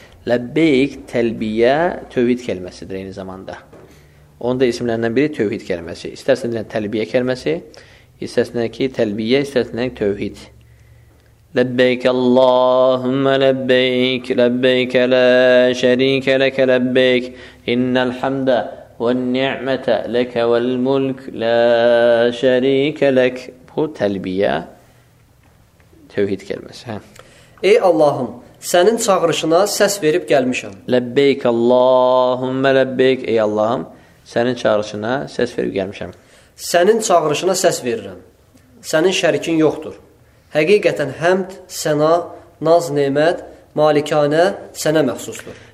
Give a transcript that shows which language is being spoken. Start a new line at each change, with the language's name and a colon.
Azerbaijani: Ləbbeyk, təlbiyyə, tövhid kəlməsidir eyni zamanda. Onun da isimlərindən biri tövhid kəlməsi. İstərsən deyilən təlbiyyə kəlməsi, istərsən ki, təlbiyyə, istərsən deyilən tövhid.
Arabic: Ləbbeyk, Allahümmə ləbbeyk, ləbbeykə lə şərikə ləkə ləbbeyk, innəl həmdə. وَالنِّعْمَةَ لَكَ وَالْمُلْكُ لَا شَرِيكَ لَكَ
Azerbaijani: Bu, təlbiyyə, tövhid kəlməsi. Ey Allahım, sənin çağırışına səs verib gəlmişəm.
Arabic: Ləbbeyk, Allahümme ləbbeyk.
Azerbaijani: Ey Allahım, sənin çağırışına səs verib gəlmişəm. Sənin çağırışına səs verirəm. Sənin şərikin yoxdur. Həqiqətən həmd, səna, naz, nemət, malikanə sənə məxsusdur.